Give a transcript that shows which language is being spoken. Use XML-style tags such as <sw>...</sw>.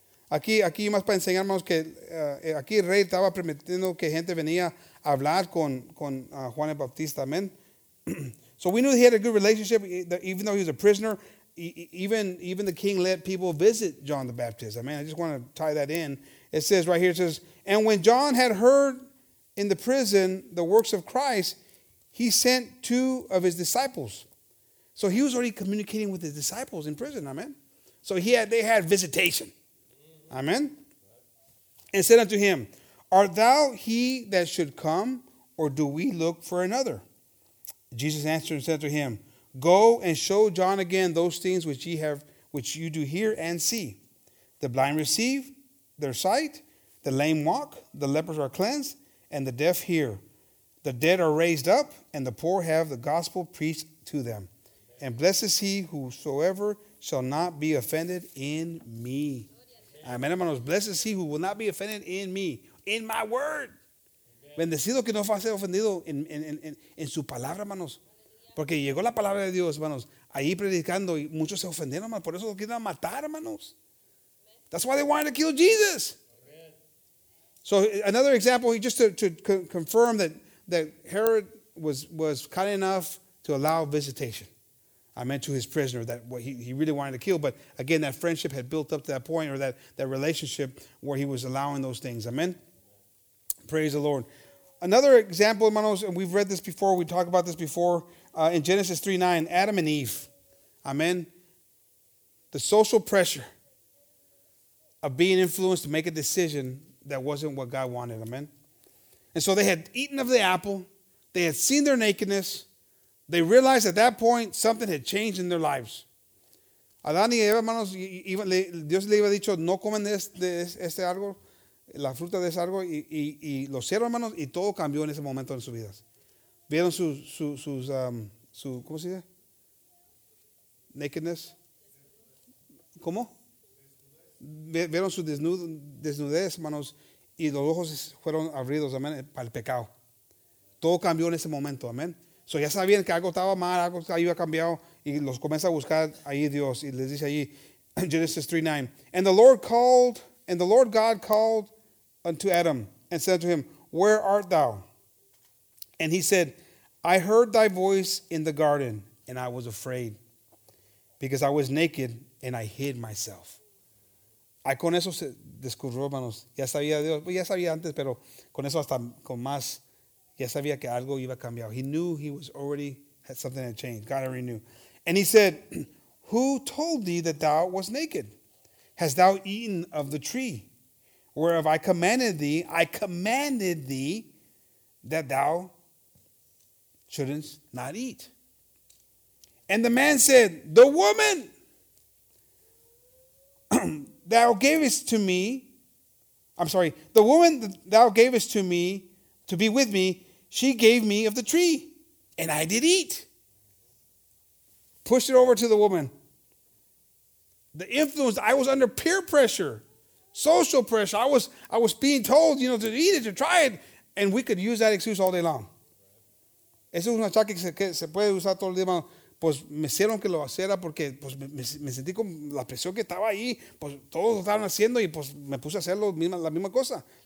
<es>Aquí más para enseñar, hermanos, que aquí el rey estaba permitiendo que gente venía a hablar con Juan el Bautista.</es> <en>Amen. So we knew he had a good relationship, even though he was a prisoner. Even the king let people visit John the Baptist. Amen. I just want to tie that in. It says right here, it says, and when John had heard in the prison the works of Christ, he sent two of his disciples. So he was already communicating with his disciples in prison. Amen. So they had visitation. Amen. And said unto him, art thou he that should come, or do we look for another? Jesus answered and said to him, go and show John again those things which you do hear and see. The blind receive their sight, the lame walk, the lepers are cleansed, and the deaf hear. The dead are raised up, and the poor have the gospel preached to them. And blessed is he whosoever shall not be offended in me. Amen, hermanos. Blessed is he who will not be offended in me, in my word.</en> <es>Bendecido que no va a ser ofendido en su palabra, hermanos. Porque llegó la palabra de Dios, hermanos, ahí predicando y muchos se ofendieron, hermanos. Por eso lo quieren matar, hermanos.</es> <en>That's why they wanted to kill Jesus. So another example, just to confirm that Herod was kind enough to allow visitation. I meant to his prisoner that what he really wanted to kill. But again, that friendship had built up to that point, or that relationship where he was allowing those things. Amen. Praise the Lord. Another example, hermanos, and we've read this before. We talked about this before in Genesis 3:9, Adam and Eve. Amen. The social pressure of being influenced to make a decision that wasn't what God wanted. Amen. And so they had eaten of the apple. They had seen their nakedness. They realized at that point something had changed in their lives.</en> <es>Adán y Eva, hermanos, Dios le había dicho, no comen de este árbol, la fruta de ese árbol, y lo cierro, hermanos, y todo cambió en ese momento en sus vidas. Vieron su ¿cómo se dice? Nakedness. ¿Cómo? Vieron su desnudez, hermanos, y los ojos fueron abridos, amén, para el pecado. Todo cambió en ese momento, amén. So ya sabían que algo estaba mal, algo había cambiado, y los comienza a buscar ahí Dios, y les dice ahí, Genesis 3:9,</es> <en>and the Lord God called unto Adam, and said to him, where art thou? And he said, I heard thy voice in the garden, and I was afraid, because I was naked, and I hid myself.</en> <es>Ay, con eso se descubrió, hermanos, ya sabía Dios, ya sabía antes, pero con eso hasta con más. Ya sabía que algo iba a cambiar.</es> <en>He knew he was already, had something had changed. God already knew. And he said, who told thee that thou was naked? Hast thou eaten of the tree? Whereof I commanded thee that thou shouldest not eat. And the man said, the woman thou gavest to me, I'm sorry, the woman that thou gavest to me to be with me, she gave me of the tree, and I did eat. Pushed it over to the woman. The influence, I was under peer pressure, social pressure. I was being told, you know, to eat it, to try it, and we could use that excuse all day long.</en> <es>Eso es un ataque que se puede usar todo el día. Pues me hicieron que lo hiciera porque pues me sentí con la presión que estaba ahí. Pues todos lo estaban haciendo y pues me puse a hacer la misma cosa.</es>